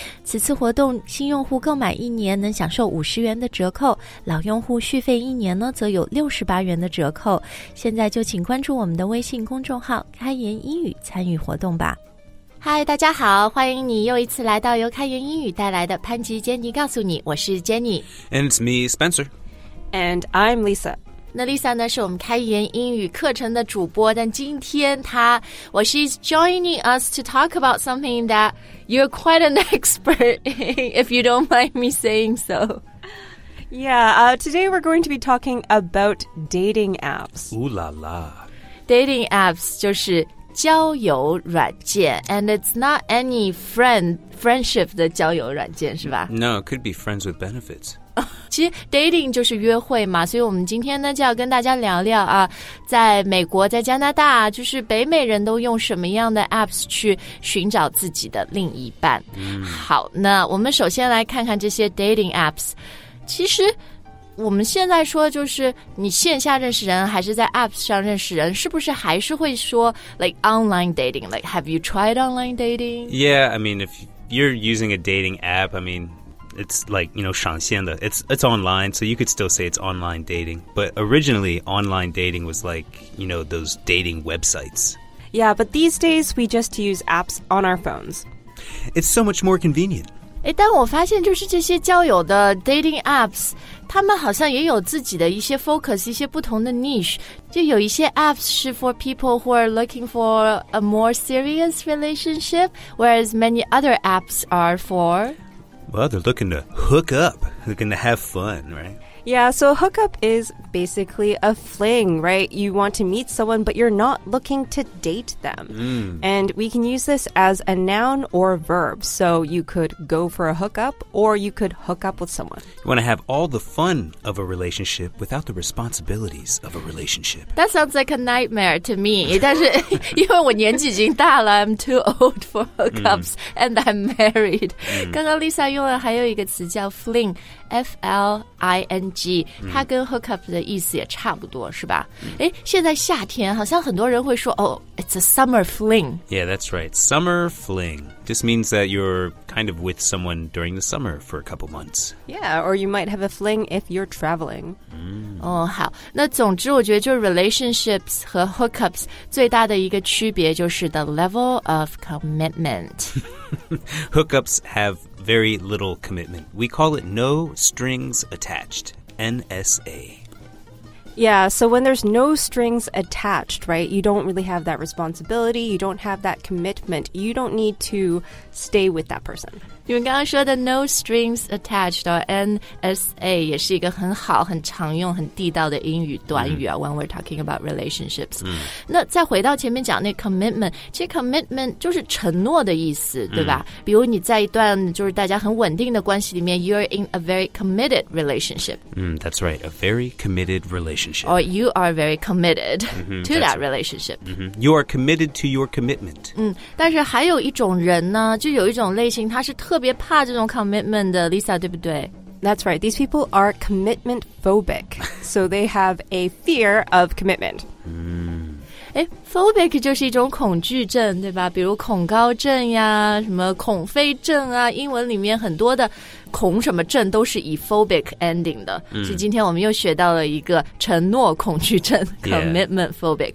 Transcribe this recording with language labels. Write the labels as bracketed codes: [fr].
[zh] 此次活动新用户购买一年能享受50元的折扣，老用户续费一年呢则有68元的折扣。现在就请关注我们的微信公众号开言英语参与活动吧。嗨，大家好，欢迎你又一次来到由开言英语带来的潘吉坚尼告诉你，我是 Jenny。 [en] And it's me, Spencer. And I'm Lisa. [zh] 那 Lisa 呢是我们开言英语课程的主播，但今天她 [en] well, she's joining us to talk about something that you're quite an expert in, if you don't mind me saying so. Yeah, today we're going to be talking about dating apps. Ooh la la. [zh] Dating apps 就是交友软件 [en] and it's not any friendship [zh] 的交友软件是吧 [en] No, it could be friends with benefits. [zh] 其实 dating 就是约会嘛，所以我们今天呢就要跟大家聊聊啊，在美国在加拿大就是北美人都用什么样的 apps 去寻找自己的另一半、好，那我们首先来看看这些 dating apps。其实我们现在说就是你线下认识人还是在 apps 上认识人，是不是还是会说 [en] like online dating? Like, have you tried online dating? Yeah, I mean, if you're using a dating app, I mean, it's like, you know, [zh] 上线的 [en] it's online, so you could still say it's online dating. But originally, online dating was like, you know, those dating websites. Yeah, but these days, we just use apps on our phones. It's so much more convenient. [zh] 哎，但我发现就是这些交友的 dating apps， 他们好像也有自己的一些 focus， 一些不同的 niche。就有一些 [en] apps 是 for people who are looking for a more serious relationship， whereas many other apps are for， well， they're looking to hook up， looking to have fun， right？ Yeah, so a hookup is basically a fling, right? You want to meet someone, but you're not looking to date them. And we can use this as a noun or a verb. So you could go for a hookup or you could hook up with someone. You want to have all the fun of a relationship without the responsibilities of a relationship. That sounds like a nightmare to me. [zh] 但是因为我年纪已经大了 [en] I'm too old for hookups and I'm married. [zh] 刚刚 Lisa 用了还有一个词叫 fling, F-L-I-N-G. 它跟 hookup 的意思也差不多是吧、现在夏天好像很多人会说、 [en] It's a summer fling Yeah, that's right, summer fling Just means that you're kind of with someone during the summer for a couple months Yeah, or you might have a fling if you're traveling、 [zh] 好，那总之我觉得就 relationships 和 hookups 最大的一个区别就是 [en] the level of commitment Hookups have very little commitment. We call it no strings attached, NSA. Yeah, so when there's no strings attached, right, you don't really have that responsibility, you don't have that commitment, you don't need to stay with that person. [zh] 你们刚刚说的 [en] no strings attached, [zh] NSA, 也是一个很好很常用很地道的英语短语啊、 [en] when we're talking about relationships.、 [zh] 那再回到前面讲那 commitment, 其实 commitment 就是承诺的意思、对吧比如你在一段就是大家很稳定的关系里面 [en] you're in a very committed relationship.、 that's right, a very committed relationship. Or you are very committed、to that relationship.、 You are committed to your commitment.、 [zh] 但是还有一种人呢就有一种类型他是特别怕这种 commitment 的 Lisa 对不对 [en] That's right These people are commitment phobic So they have a fear of commitment、 [zh] Phobic 就是一种恐惧症对吧比如恐高症呀什么恐飞症啊英文里面很多的恐什么症都是以 phobic ending 的、所以今天我们又学到了一个承诺恐惧症 commitment phobic、